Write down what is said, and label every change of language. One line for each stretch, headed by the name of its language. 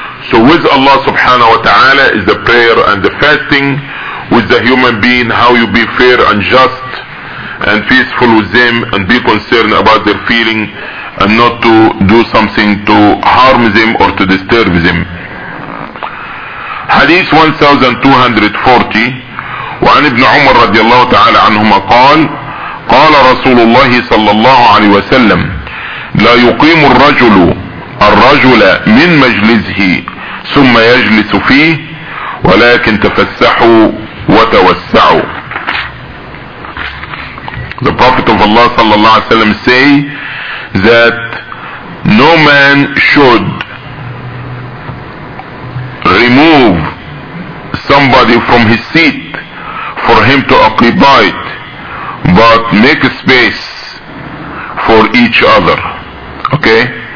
English: So with Allah subhanahu wa ta'ala is the prayer and the fasting. With the human being, how you be fair and just and peaceful with them and be concerned about their feeling and not to do something to harm them or to disturb them.
Arabic: Hadith 1240 وعن ابن عمر رضي الله تعالى عنهما قال قال رسول الله صلى الله عليه وسلم لا يقيم الرجل من مجلسه ثم يجلس فيه ولكن تفسحوا وتوسعوا.
English: The Prophet of Allah sallallahu alaihi wasallam say that no man should remove somebody from his seat for him to occupy it, but make space for each other. Okay?